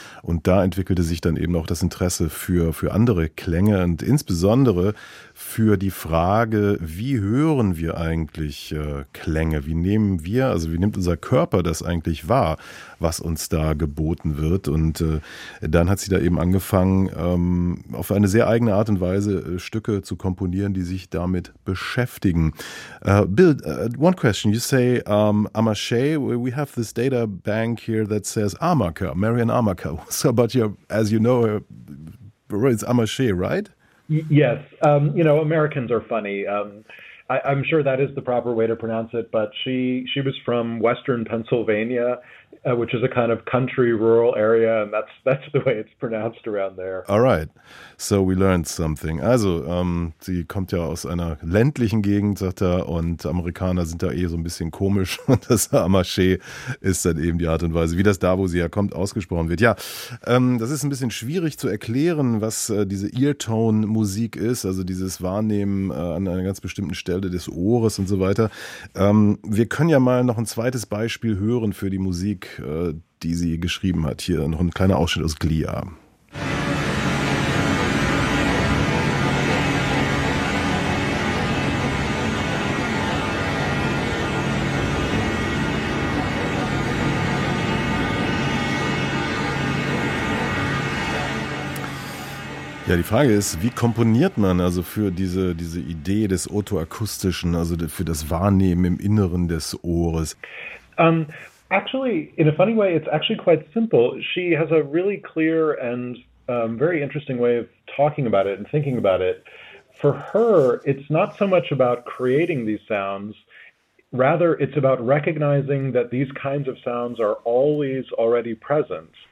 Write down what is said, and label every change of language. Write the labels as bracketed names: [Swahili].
[German] Und da entwickelte sich dann eben auch das Interesse für andere Klänge und insbesondere für die Frage, wie hören wir eigentlich Klänge? Wie nehmen wir, also wie nimmt unser Körper das eigentlich wahr, was uns da geboten wird? Und dann hat sie da eben angefangen, auf eine sehr eigene Art und Weise Stücke zu komponieren, die sich damit beschäftigen. [English] Bill, one question. You say, Amashe, we have this data bank here that says Amaka, Marian Amaka. So, but you're, as you know, it's Amashe, right? Yes, Americans are funny. I'm sure that is the proper way to pronounce it, but she was from Western Pennsylvania, which is a kind of country rural area, and that's the way it's pronounced around there. All right, so we learned something. [German] Also, sie kommt ja aus einer ländlichen Gegend, sagt er, und Amerikaner sind da eh so ein bisschen komisch. Und das Amache ist dann eben die Art und Weise, wie das da, wo sie herkommt, ausgesprochen wird. Ja, das ist ein bisschen schwierig zu erklären, was diese Eartone-Musik ist, also dieses Wahrnehmen an einer ganz bestimmten Stelle des Ohres und so weiter. Wir können ja mal noch ein zweites Beispiel hören für die Musik, die sie geschrieben hat. Hier noch ein kleiner Ausschnitt aus Glia. Ja, die Frage ist, wie komponiert man also für diese Idee des otoakustischen, also für das Wahrnehmen im Inneren des Ohres? [English] Actually, in a funny way, it's actually quite simple. She has a really clear and very interesting way of talking about it and thinking about it. For her, it's not so much about creating these sounds. Rather, it's about recognizing that these kinds of sounds are always already present.